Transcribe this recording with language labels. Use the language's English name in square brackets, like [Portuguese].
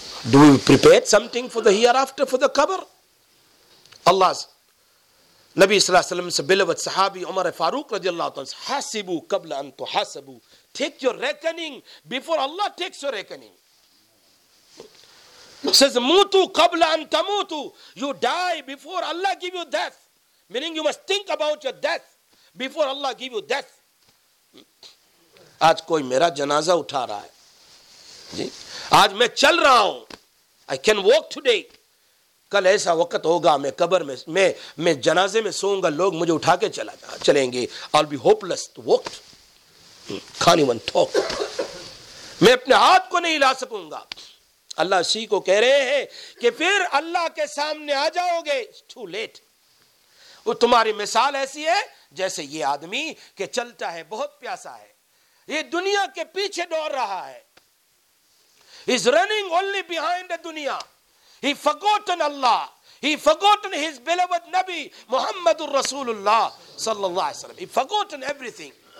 [English] Do we prepare something for the hereafter, for the قبر؟ [Urdu] اللہ نبی صلی اللہ علیہ وسلم سے بلوت صحابی عمر فاروق رضی اللہ عنہ, [Arabic] حاسبو قبل ان تحاسبو, [English] take your reckoning before Allah takes your reckoning. Says [Arabic] mutu qabla an tamutu, [English] you die before Allah give you death, meaning you must think about your death before Allah give you death. [Urdu] آج کوئی میرا جنازہ اٹھا رہا ہے جی, آج میں چل رہا ہوں, [English] I can walk today, [Urdu] کل ایسا وقت ہوگا میں قبر میں, میں جنازے میں سوؤں گا, لوگ مجھے اٹھا کے چلیں گے. [English] I'll be hopeless to walk, can't even talk, [Urdu] میں اپنے ہاتھ کو نہیں لا سکوں گا. اللہ اسی کو کہہ رہے ہیں کہ پھر اللہ کے سامنے آ جاؤ گے, [English] Too late. [Urdu] وہ تمہاری مثال ایسی ہے جیسے یہ آدمی کہ چلتا ہے, بہت پیاسا ہے, یہ دنیا کے پیچھے دوڑ رہا ہے, [English] is running only behind the dunya. He forgotten Allah, he forgotten his beloved Nabi Muhammadur Rasulullah sallallahu alaihi wasallam, he forgotten everything.